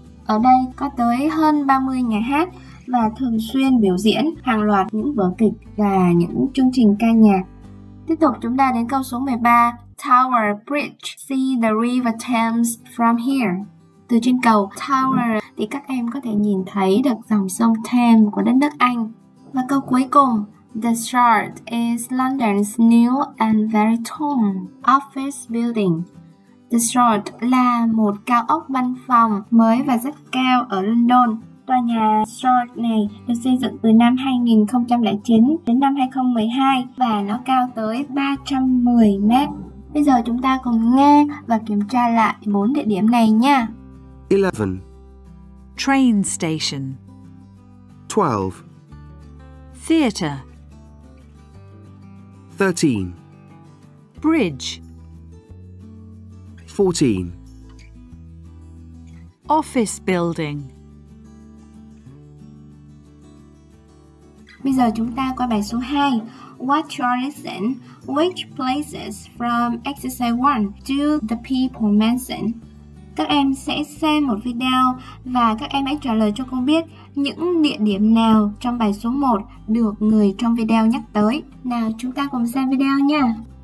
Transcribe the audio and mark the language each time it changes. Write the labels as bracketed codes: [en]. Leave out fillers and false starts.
[vi] Ở đây có tới hơn 30 nhà hát và thường xuyên biểu diễn hàng loạt những vở kịch và những chương trình ca nhạc. Tiếp tục chúng ta đến câu số 13. Tower Bridge. [en] See the River Thames from here. [vi] Từ trên cầu Tower thì các em có thể nhìn thấy được dòng sông Thames của đất nước Anh. Và câu cuối cùng. [en] The Shard is London's new and very tall office building. [vi] The Shard là một cao ốc văn phòng mới và rất cao ở London. Tòa nhà Shard này được xây dựng từ năm 2009 đến năm 2012 và nó cao tới 310m. Bây giờ chúng ta cùng nghe và kiểm tra lại 4 địa điểm này nha. [en] 11. Train station. 12. Theatre. 13. Bridge. 14. Office building. [vi] Bây giờ chúng ta qua bài số 2. [en] Watch or listen. Which places from exercise 1 do the people mention? [vi] Các em sẽ xem một video và các em hãy trả lời cho cô biết những địa điểm nào trong bài số 1 được người trong video nhắc tới. Nào chúng ta cùng xem video nha.